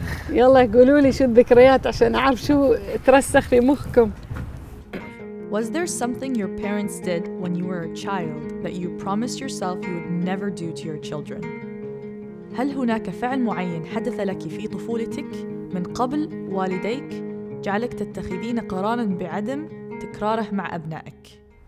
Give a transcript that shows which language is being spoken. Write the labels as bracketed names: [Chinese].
[Arabic] يلا قولوا لي شو الذكريات عشان أعرف شو ترسخ في مخكم. [English] Was there something your parents did when you were a child that you promised yourself you would never do to your children? [Arabic] هل هناك فعل معين حدث لك في طفولتك من قبل والديك جعلك تتخذين قرارا بعدم تكراره مع أبنائك؟